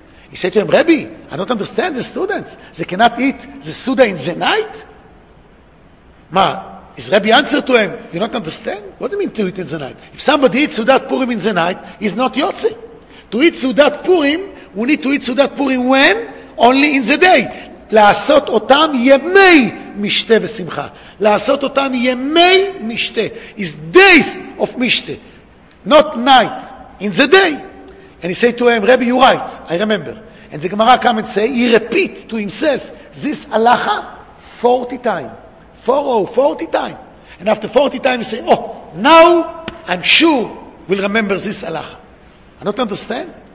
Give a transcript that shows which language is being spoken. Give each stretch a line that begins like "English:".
English: He said to him, Rabbi, I don't understand the students. They cannot eat the Seuda in the night? Ma, his Rabbi answer to him, you don't understand? What do you mean to eat in the night? If somebody eats Seudat Purim in the night, he's not Yotze. To eat Seudat Purim, we need to eat Seudat Purim when? Only in the day.
Hebrew: לעשות אותם ימי משתה ושמחה. לעשות אותם ימי משתה.
English: It's days of משתה. Not night. In the day. And he said to him, Rabbi, you're right. I remember. And the Gemara come and say, he repeat to himself, this halacha 40 times. 40 times. And after 40 times he say, oh, now I'm sure we'll remember this halacha. I don't understand.